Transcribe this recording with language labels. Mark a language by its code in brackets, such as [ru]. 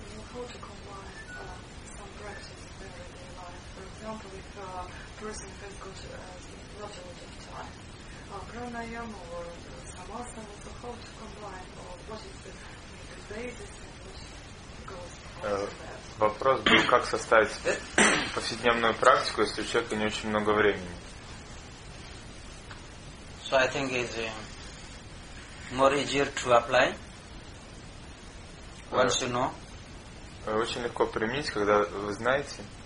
[en] How to combine some practices in daily life? For example, if a person has got not a lot of time, pranayama or samasana, so how to combine, or what is the basis and what goes on that? [ru] Вопрос был, как составить повседневную практику, если у человека не очень много времени? [en] So I think it's more easier to apply once you know. [ru] Очень легко применить, когда вы знаете.